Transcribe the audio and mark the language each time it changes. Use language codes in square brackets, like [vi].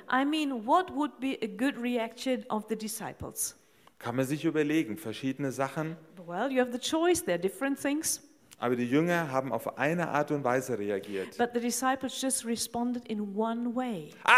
[en] I mean, what would be a good reaction of the disciples? [de] Kann man sich überlegen, verschiedene Sachen. [en] Well, you have the choice, there are different things. [de] Aber die Jünger haben auf eine Art und Weise reagiert. [en] But the disciples just responded in one way.